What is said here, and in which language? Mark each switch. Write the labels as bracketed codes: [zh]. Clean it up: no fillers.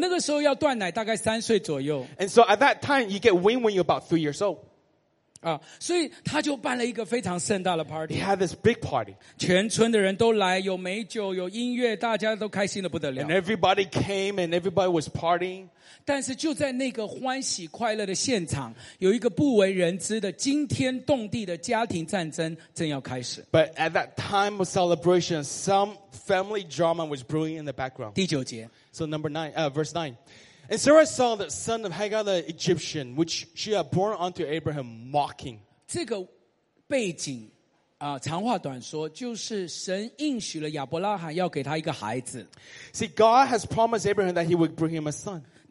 [zh] 所以你知道吗？就在孩子断奶的时候，那个时候要断奶，大概三岁左右。 [en] And so at that time, you get weaned when you're about 3 years old. [zh] 所以他就办了一个非常盛大的 party. [en] He had this big party. [zh] 全村的人都来，有美酒，有音乐，大家都开心的不得了。 [en] And everybody came, and everybody was partying. [zh] 但是就在那个欢喜快乐的现场，有一个不为人知的惊天动地的家庭战争正要开始。 [en] But at that time of celebration, some family drama was brewing in the background. [zh] 第九节。 [en] So number nine, verse nine. And Sarah saw the son of Hagar the Egyptian, which she had born unto Abraham, mocking. [zh] 这个背景, 长话短说，就是神应许了亚伯拉罕要给他一个孩子。 [en] See, God has promised Abraham that he would bring him a son.